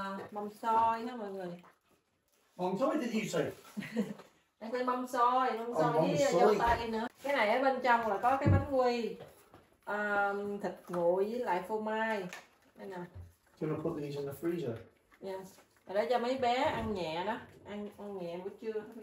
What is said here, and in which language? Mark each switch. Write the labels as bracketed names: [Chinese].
[Vietnamese] Mâm xôi nha mọi người. Mâm xôi thì gì xôi? Đây là mâm xôi với dâu tây nữa. Cái này ở bên trong là có cái bánh quy, thịt nguội với lại phô mai. Đây nè. [English] You're gonna put these in the freezer? Yes. [Vietnamese] Ở đây cho mấy bé ăn nhẹ đó, ăn nhẹ buổi trưa.